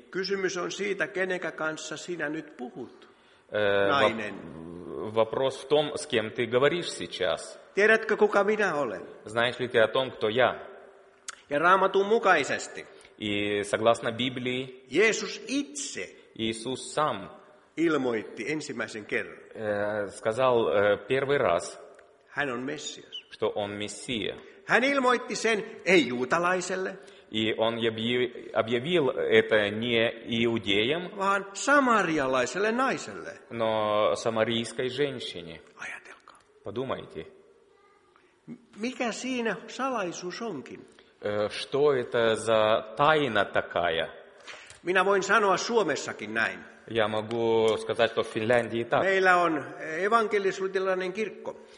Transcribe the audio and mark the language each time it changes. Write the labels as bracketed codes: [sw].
[fi] Kysymys on siitä, kenenkä kanssa sinä nyt puhut, nainen. [ru] Вопрос в том, с кем ты говоришь сейчас. [fi] Tiedätkö, kuka minä olen? [ru] Знаешь ли ты о том, кто я? [fi] Ja Raamatun mukaisesti. [ru] И согласно Библии. [fi] Jeesus itse. [ru] Иисус сам. [fi] Ilmoitti ensimmäisen kerran. [ru] Сказал первый раз. [fi] Hän on Messias. [ru] Что он Мессия. [fi] Hän ilmoitti sen ei juutalaiselle. [ru] И он объявил это не иудеям, [fi] vaan самарialaiselle naiselle. [ru] Но самарийской женщине. [fi] Ajatelkaa. [ru] Подумайте. [fi] Mikä siinä salaisuus onkin? [ru] Что это за тайна такая? [fi] Minä voin sanoa Suomessakin näin. [ru] Я могу сказать, что в Финляндии так. [fi] Meillä on evankelis-luterilainen kirkko.